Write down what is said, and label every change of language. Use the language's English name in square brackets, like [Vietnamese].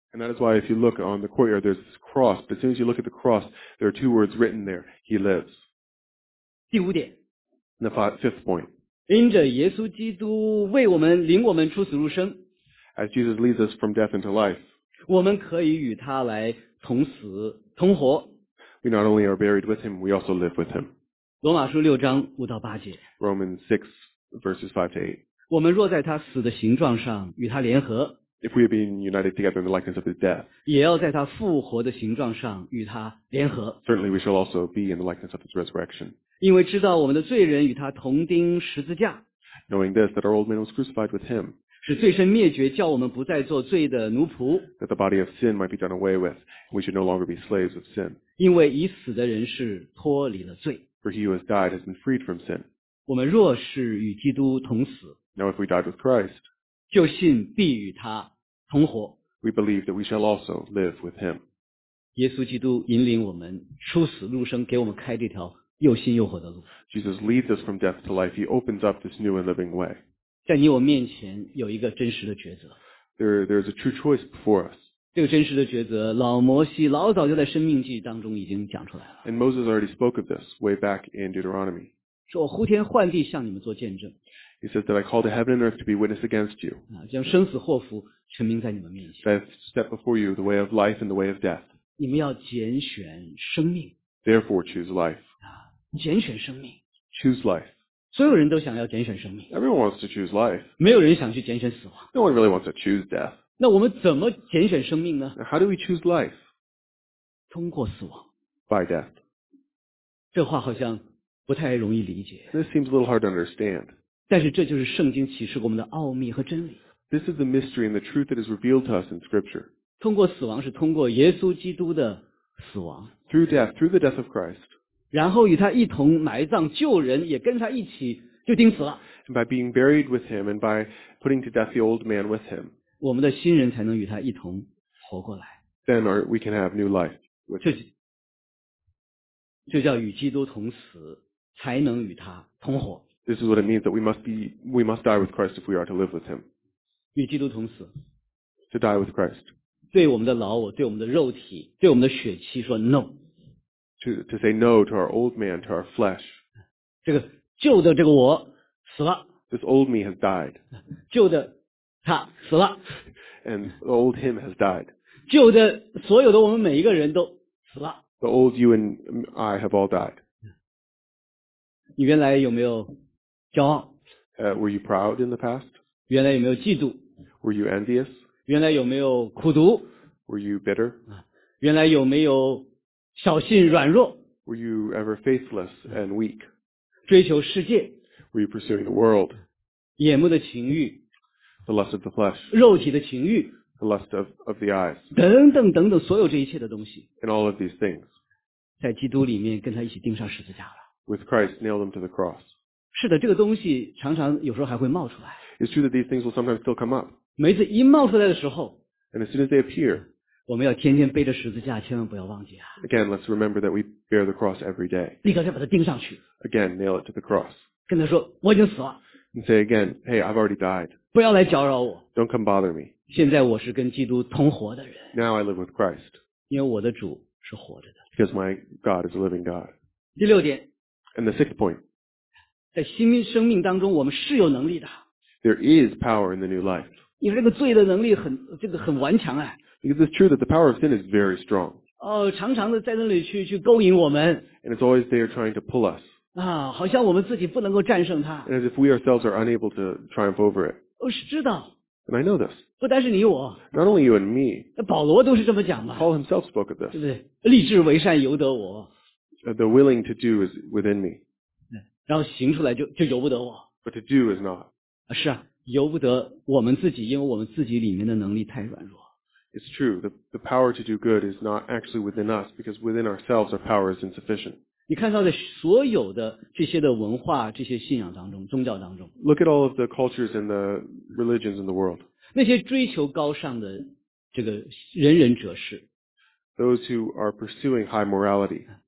[English] And that is why if you look on the courtyard, there's this cross. But as soon as you look at the cross, there are two words written there: He lives. [Chinese] 第五点。 [English] The fifth point. [Chinese] 因着耶稣基督为我们领我们出死入生。 [English] As Jesus leads us from death into life. [Chinese] 我们可以与他来同死同活。 [English] We not only are buried with him, we also live with him. [Chinese] 罗马书六章五到八节。 [English] Romans 6 verses 5 to 8. [Chinese] 我们若在他死的形状上与他联合。 [English] If we have been united together in the likeness of his death. [Chinese] 也要在他复活的形状上与他联合。 [English] Certainly we shall also be in the likeness of his resurrection. [Chinese] 因为知道我们的罪人与他同钉十字架。 [English] Knowing this, that our old man was crucified with him. [Chinese] 使罪身灭绝，叫我们不再做罪的奴仆。 [English] That the body of sin might be done away with, we should no longer be slaves of sin. [Chinese] 因为已死的人是脱离了罪。 [English] For he who has died has been freed from sin. [Chinese] 我们若是与基督同死 [English] ，Now if we died with Christ, [Chinese] 就信必与他同活。 [English] We believe that we shall also live with him. [Chinese] 耶稣基督引领我们出死入生，给我们开这条又新又活的路。 [English] Jesus leads us from death to life. He opens up this new and living way. [Chinese] 在你我面前有一个真实的抉择。 [English] There is a true choice before us. [Chinese] 这个真实的抉择，老摩西老早就在《申命记》当中已经讲出来了。 [English] And Moses already spoke of this way back in Deuteronomy. He says that I call to heaven and earth to be witness against you. That I step before you the way of life and the way of death. Therefore, choose life. [Chinese] 拣选生命。 [English] Choose life. [Chinese] 所有人都想要拣选生命。 [English] Everyone wants to choose life. [Chinese] 没有人想去拣选死亡。 [English] No one really wants to choose death. [Chinese] 那我们怎么拣选生命呢？ [English] How do we choose life? [Chinese] 通过死亡。 [English] By death. [Chinese] 这话好像不太容易理解。 [English] This seems a little hard to understand. [Chinese] 但是这就是圣经启示我们的奥秘和真理。 [English] This is the mystery and the truth that is revealed to us in Scripture. [Chinese] 通过死亡是通过耶稣基督的死亡。 [English] Through death, through the death of Christ. [Chinese] 然后与他一同埋葬，旧人也跟他一起就钉死了。 [English] And by being buried with him and by putting to death the old man with him, [Chinese] 我们的新人才能与他一同活过来。 [English] Then we can have new life with him. [Chinese] 就叫与基督同死，才能与他同活。 [English] This is what it means that we must die with Christ if we are to live with him. [Chinese] 与基督同死。 [English] To die with Christ. [Chinese] 对我们的老我，对我们的肉体，对我们的血气说 no. [English] To say no to our old man, to our flesh. [Chinese] 这个旧的这个我死了。 [English] This old me has died. [Chinese] 旧的他死了。 [English] And the old him has died. [Chinese] 旧的所有的我们每一个人都死了。 [English] The old you and I have all died. [Chinese] 你原来有没有骄傲？ [English] Were you proud in the past? [Chinese] 原来有没有嫉妒？ [English] Were you envious? [Chinese] 原来有没有苦毒？ [English] Were you bitter? [Chinese] 原来有没有小心软弱？ [English] Were you ever faithless and weak? [Chinese] 追求世界？ [English] Were you pursuing the world? [Chinese] 眼目的情欲？ [English] The lust of the flesh? [Chinese] 肉体的情欲？ [English] The lust of the eyes? [Chinese] 等等等等，所有这一切的东西。 [English] And all of these things. [Chinese] 在基督里面跟他一起钉上十字架了。 [English] With Christ, nailed them to the cross. [Chinese] 是的，这个东西常常有时候还会冒出来。 [English] It's true that these things will sometimes still come up. [Chinese] 每次一冒出来的时候。 [English] And as soon as they appear. [Chinese] 我们要天天背着十字架，千万不要忘记啊。 [English] Again, let's remember that we bear the cross every day. [Chinese] 立刻再把它钉上去。 [English] Again, nail it to the cross. [Chinese] 跟他说，我已经死了。 [English] And say again, hey, I've already died. [Chinese] 不要来搅扰我。 [English] Don't come bother me. [Chinese] 现在我是跟基督同活的人。 [English] Now I live with Christ. [Chinese] 因为我的主是活着的。 [English] Because my God is a living God. [Chinese] 第六点。 [English] And the sixth point. [Chinese] 在新生命当中，我们是有能力的。 [English] There is power in the new life. [Chinese] 因为这个罪的能力很，这个很顽强啊。 [English] Because it's true that the power of sin is very strong. [Chinese] 哦，常常的在那里去勾引我们。 [English] And it's always there trying to pull us. [Chinese] 啊，好像我们自己不能够战胜它。 [English] And as if we ourselves are unable to triumph over it. [Chinese] 哦，是知道。 [English] And I know this. [Chinese] 不单是你我。 [English] Not only you and me. [Chinese] 那保罗都是这么讲嘛。 [English] Paul himself spoke of this. [Chinese] 对不对？立志为善由得我。 [English] The willing to do is within me. [Chinese] 然后行出来就由不得我。 [English] But to do is not. [Chinese] 啊，是啊，由不得我们自己，因为我们自己里面的能力太软弱。 [English] It's true, the power to do good is not actually within us, because within ourselves our power is insufficient. [Chinese] 你看到的所有的这些的文化，这些信仰当中，宗教当中。 [English] Look at all of the cultures and the religions in the world. [Chinese] 那些追求高尚的这个仁人哲士。 [English] Those who are pursuing high morality.